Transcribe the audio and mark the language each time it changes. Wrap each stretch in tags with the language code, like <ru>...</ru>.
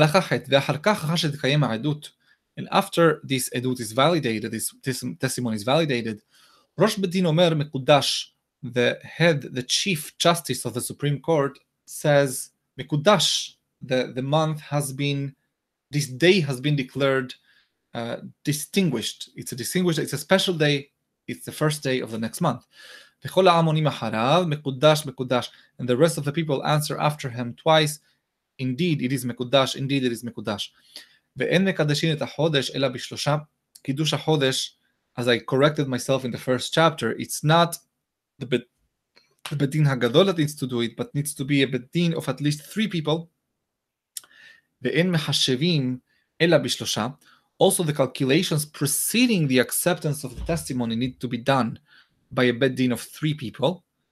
<en>And after this edut is validated, this testimony is validated, Rosh Bedin Omer Mekudash, the head, the chief justice of the Supreme Court, says, Mekudash, the month has been, this day has been declared distinguished. It's a distinguished, it's a special day, it's the first day of the next month.</en> <he>וכל העם עונים אחריו, מקודש, מקודש.</he> <en>And the rest of the people answer after him twice, indeed, it is מקודש, indeed, it is מקודש.</en> <he>ואין מקדשים את החודש, אלא בשלושה.</he> <en>קידוש החודש, as I corrected myself in the first chapter, it's not the בדין הגדול that needs to do it, but needs to be a בדין of at least three people.</en> <he>ואין מחשבים, אלא בשלושה.</he> <en>Also, the calculations preceding the acceptance of the testimony need to be done by a bed din of three people.</en>